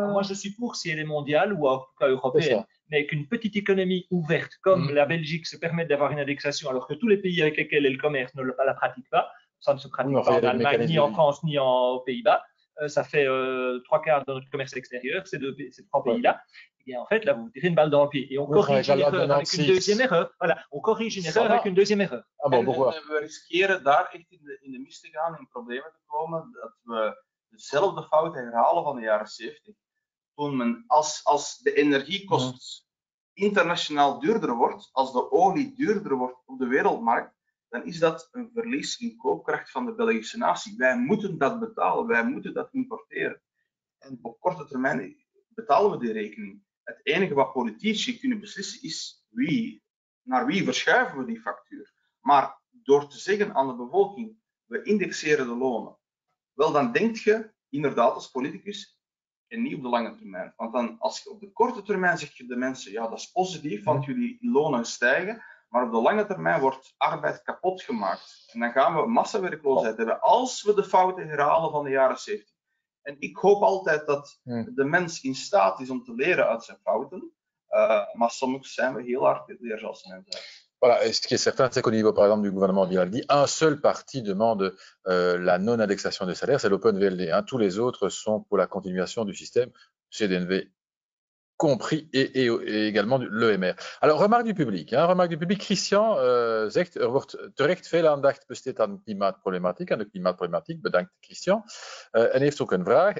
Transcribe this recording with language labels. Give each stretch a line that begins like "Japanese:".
French: Moi, je suis pour si elle est mondiale ou en tout cas européenne. Mais qu'une petite économie ouverte comme la Belgique se permette d'avoir une indexation alors que tous les pays avec lesquels elle commerce ne la pratiquent pas, ça ne se pratique pas en Allemagne, ni en France, ni aux Pays-Bas. Ça fait trois quarts de notre commerce extérieur, ces trois pays-là. Ouais. Et en fait, là, vous tirez une balle dans le pied. Et on corrige une erreur avec une deuxième erreur. Voilà, on corrige une erreur avec une deuxième erreur. Ah bon, pourquoi?
Dutch: En we riskeren daar echt in de mist te gaan, in problemen te komen, dat we dezelfde fouten herhalen van de jaren 70. Toen men, als de energiekosten internationaal duurder wordt, als de olie duurder wordt op de wereldmarkt, dan is dat een verlies in koopkracht van de Belgische natie. Wij moeten dat betalen, wij moeten dat importeren. En op korte termijn betalen we die rekening. Het enige wat politici kunnen beslissen is naar wie verschuiven we die factuur. Maar door te zeggen aan de bevolking, we indexeren de lonen, wel dan denk je inderdaad als politicus, en niet op de lange termijn. Want dan als je op de korte termijn zegt je de mensen, ja dat is positief, want jullie lonen stijgen, maar op de lange termijn wordt arbeid kapot gemaakt. En dan gaan we massawerkloosheid hebben als we de fouten herhalen van de jaren 70. En ik hoop altijd dat de mens in staat is om te leren uit zijn fouten. Maar soms zijn we heel hard leerzaam zijn.
French: Voilà, et ce qui est certain, c'est qu'au niveau, par exemple, du gouvernement Vivaldi, un seul parti demande la non-indexation des salaires, c'est l'OpenVLD. Hein. Tous les autres sont pour la continuation du système CDNV compris et également l'EMR. Alors, remarque du public. Hein, remarque du public,
Dutch: Christian, zegt, er wordt terecht veel aandacht besteed aan de klimaatproblematiek. Aan de klimaatproblematiek, bedankt Christian. En heeft ook een vraag.